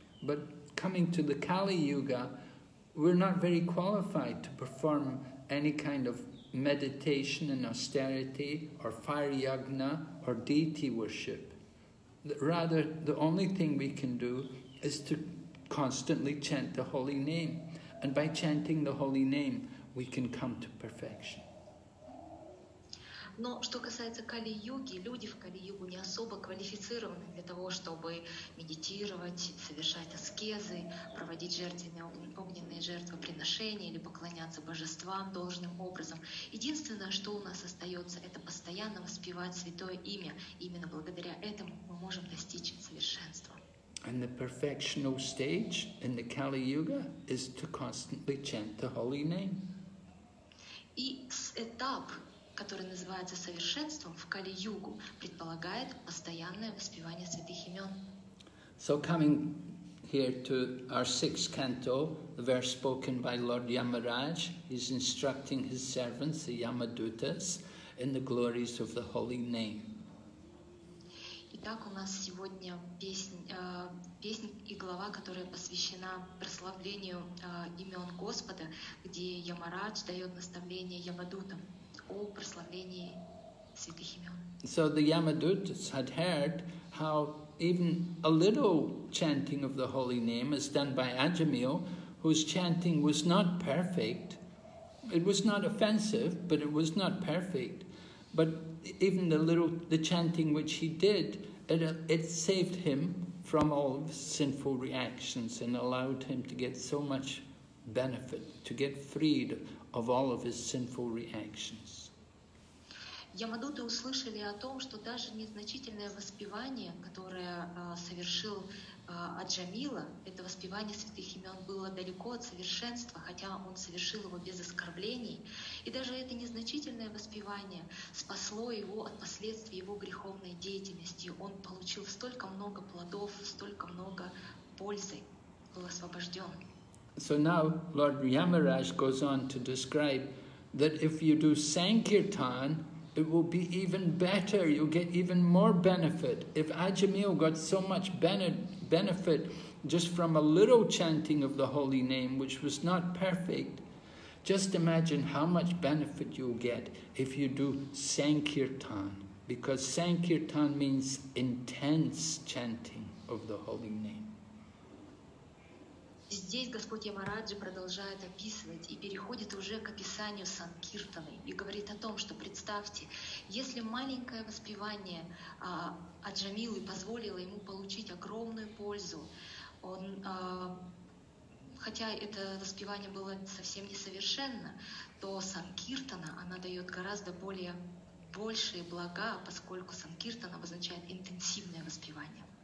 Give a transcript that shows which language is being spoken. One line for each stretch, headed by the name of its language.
English: But coming to the Kali-юга, we're not very qualified to perform any kind of meditation and austerity or fire yagna or deity worship. Rather, the only thing we can do is to constantly chant the holy name. And by chanting the holy name, we can come to perfection.
Russian: Но что касается Кали-юги, люди в Кали-югу не особо квалифицированы для того, чтобы медитировать, совершать аскезы, проводить огненные жертвоприношения или поклоняться божествам должным образом. Единственное, что у нас остается, это постоянно воспевать святое имя. Именно благодаря этому мы можем достичь совершенства.
English: And the perfectional stage in the Kali-yuga is to constantly chant the holy name.
Russian: И этап который называется совершенством в Кали-югу, предполагает постоянное воспевание святых имен.
English: So coming here to our sixth canto, the verse spoken by Lord Yamaraj, he's instructing his servants, the Yamadutas, in the glories of the holy name.
Russian: Итак, у нас сегодня песня и глава, которая посвящена прославлению имен Господа, где Ямарадж дает наставление Ямадутам о прославлении святых имен.
English: So the Yamadutas had heard how even a little chanting of the holy name is done by Ajamil, whose chanting was not perfect. It was not offensive, but it was not perfect. But even the chanting which he did, it saved him from all of his sinful reactions and allowed him to get so much benefit, to get freed of all of his sinful reactions.
Russian: Ямадуты услышали о том, что даже незначительное воспевание, которое совершил Аджамила, это воспевание святых имен было далеко от совершенства, хотя он совершил его без оскорблений. И даже это незначительное воспевание спасло его от последствий его греховной деятельности. Он получил столько много плодов, столько много пользы, был освобожден.
English: So now Lord Yamaraj goes on to describe that if you do Sankirtan, it will be even better, you'll get even more benefit. If Ajamil got so much benefit just from a little chanting of the holy name, which was not perfect, just imagine how much benefit you'll get if you do Sankirtan, because Sankirtan means intense chanting of the holy name.
Russian: Здесь Господь Ямараджа продолжает описывать и переходит уже к описанию Санкиртаны и говорит о том, что представьте, если маленькое воспевание Аджамилы позволило ему получить огромную пользу, он, хотя это воспевание было совсем несовершенно, то Санкиртана, она дает гораздо более большие блага, поскольку Санкиртана обозначает интенсивное воспевание.